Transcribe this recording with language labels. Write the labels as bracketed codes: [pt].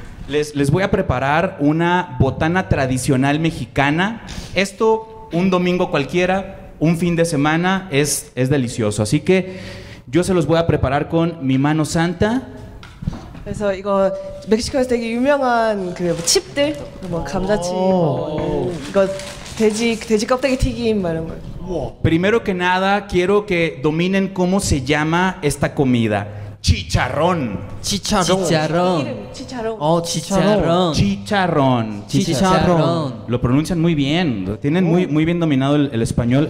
[es] les voy a preparar una botana tradicional mexicana. Esto un domingo cualquiera, un fin de semana, es delicioso. Así que yo se los voy a preparar con mi mano santa. [ko] 그래서 이거 멕시코에서 되게 유명한 그 칩들, 뭐 감자칩, 이거 돼지 껍데기 튀김 뭐 이런 거. [es] Primero que nada quiero que dominen cómo se llama esta comida. Chicharrón. Chicharrón. Chicharrón. Chicharrón. Chicharrón. Chicharrón. Lo pronuncian muy bien. Lo tienen muy, muy bien dominado el español.